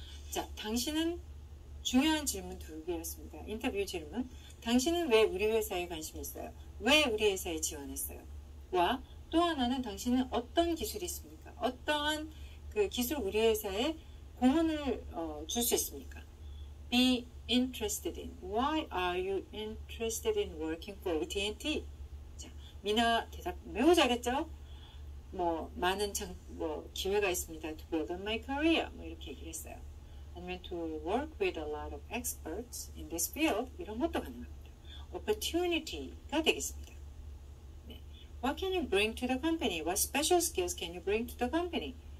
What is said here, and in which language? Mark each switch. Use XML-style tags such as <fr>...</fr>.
<ko>자, 당신은 중요한 질문 두 개였습니다. 인터뷰 질문. 당신은 왜 우리 회사에 관심이 있어요? 왜 우리 회사에 지원했어요? 와, 또 하나는 당신은 어떤 기술이 있습니까? 어떠한 그 기술 우리 회사에 공헌을 줄 수 있습니까?</ko> <en>Be interested in. Why are you interested in working for AT&T?</en> <ko>자, 미나 대답 매우 잘했죠? 뭐, 많은 기회가 있습니다.</ko> <en>To build on my career.</en> <ko>뭐, 이렇게 얘기를 했어요.</ko> <en>아니면 to work with a lot of experts in this field.</en> <ko>이런 것도 가능합니다. Opportunity가 되겠습니다. 네.</ko> <en>What can you bring to the company? What special skills can you bring to the company?</en>